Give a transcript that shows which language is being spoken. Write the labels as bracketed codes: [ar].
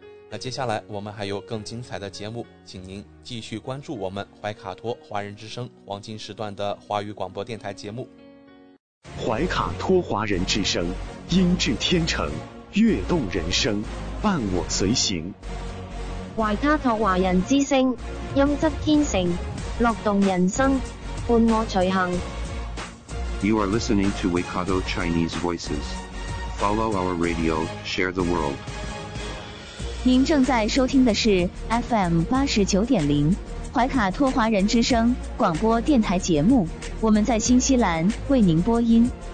[zh] 那接下来我们还有更精彩的节目，请您继续关注我们怀卡托华人之声黄金时段的华语广播电台节目。怀卡托华人之声，音质天成，悦动人生，伴我随行。怀卡托华人之声，音质天成，乐动人生，伴我随行。 [en] You are listening to Waikato Chinese Voices. Follow our radio, share the world. [zh] 您正在收听的是 FM 89.0 怀卡托华人之声广播电台节目，我们在新西兰为您播音。